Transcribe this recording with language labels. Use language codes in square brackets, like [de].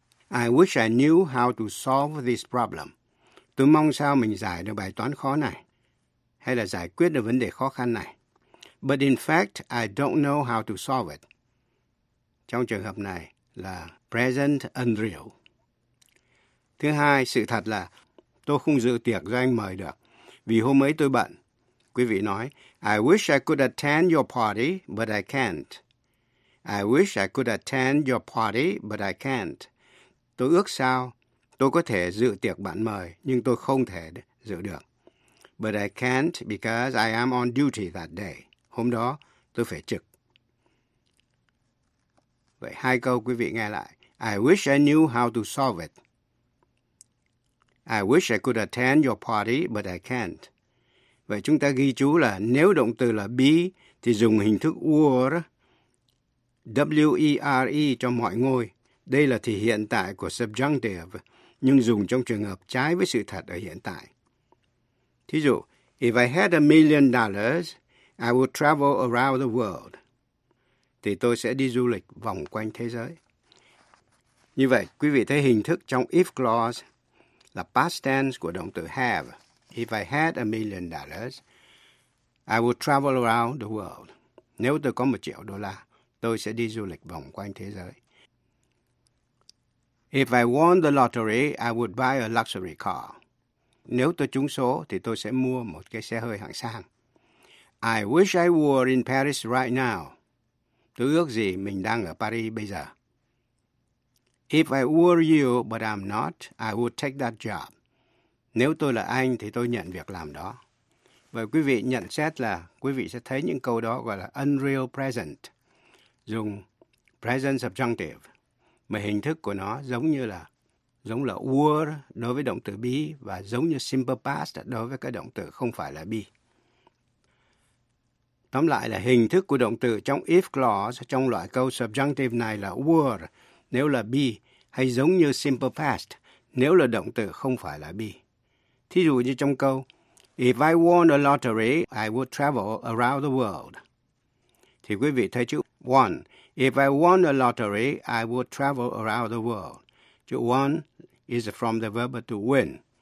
[en] I wish I knew how to solve this problem. [vi] Tôi mong sao mình giải được bài toán khó này, hay là giải quyết được vấn đề khó khăn này. [en] But in fact, I don't know how to solve it. [vi] Trong trường hợp này là present unreal. Thứ hai, sự thật là tôi không dự tiệc do anh mời được vì hôm ấy tôi bận. Quý vị nói, [en] I wish I could attend your party, but I can't. I wish I could attend your party, but I can't. [vi] Tôi ước sao tôi có thể dự tiệc bạn mời, nhưng tôi không thể dự được. [en] But I can't because I am on duty that day. [vi] Hôm đó, tôi phải trực. Vậy hai câu quý vị nghe lại. [en] I wish I knew how to solve it. I wish I could attend your party, but I can't. [vi] Vậy chúng ta ghi chú là nếu động từ là be, thì dùng hình thức were, W-E-R-E cho mọi ngôi. Đây là thì hiện tại của subjunctive, nhưng dùng trong trường hợp trái với sự thật ở hiện tại. Thí dụ, [en] if I had $1,000,000, I would travel around the world. [vi] Thì tôi sẽ đi du lịch vòng quanh thế giới. Như vậy, quý vị thấy hình thức trong if clause là past tense của động từ have. [en] If I had $1,000,000, I would travel around the world. [vi] Nếu tôi có $1,000,000, tôi sẽ đi du lịch vòng quanh thế giới. [en] If I won the lottery, I would buy a luxury car. [vi] Nếu tôi trúng số, thì tôi sẽ mua một cái xe hơi hạng sang. [en] I wish I were in Paris right now. [vi] Tôi ước gì mình đang ở Paris bây giờ. [en] If I were you, but I'm not, I would take that job. [vi] Nếu tôi là anh, thì tôi nhận việc làm đó. Vậy quý vị nhận xét là quý vị sẽ thấy những câu đó gọi là unreal present. Dùng present subjunctive. Mà hình thức của nó giống như là giống là were đối với động từ be và giống như simple past đối với cái động từ không phải là be. Tóm lại là hình thức của động từ trong if clause trong loại câu subjunctive này là were nếu là be hay giống như simple past nếu là động từ không phải là be. Thí dụ như trong câu [en] If I won a lottery, I would travel around the world. [vi] Thì quý vị thấy chữ won. [en] If I won a lottery, I would travel around the world. Chữ won is from the verb to win.